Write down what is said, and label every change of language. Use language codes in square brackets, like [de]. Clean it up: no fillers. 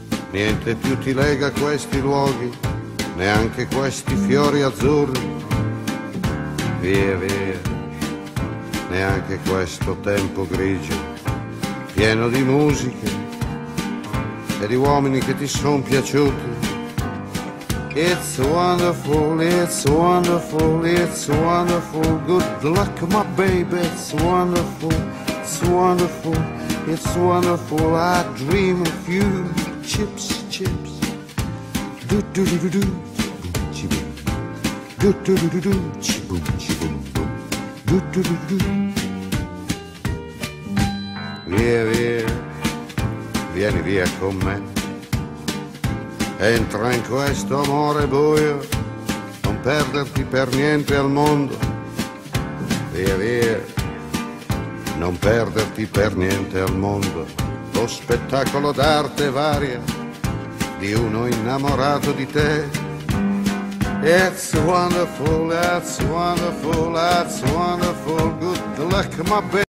[it] Niente più ti lega a questi luoghi, neanche questi fiori azzurri. Via, via, neanche questo tempo grigio, pieno di musiche e di uomini che ti son piaciuti. [en] It's wonderful, it's wonderful, it's wonderful. Good luck, my baby, it's wonderful, it's wonderful, it's wonderful. I dream of you, chips, chips. Do do do do do, boom, chip. Do do do do do, chip, chip, boom, boom. Do do do do do. [it] Via, via, vieni via con me. Entra in questo amore buio, non perderti per niente al mondo. Via, via, non perderti per niente al mondo. Lo spettacolo d'arte varia di uno innamorato di te. [en] It's wonderful, that's wonderful, that's wonderful. Good luck, my baby.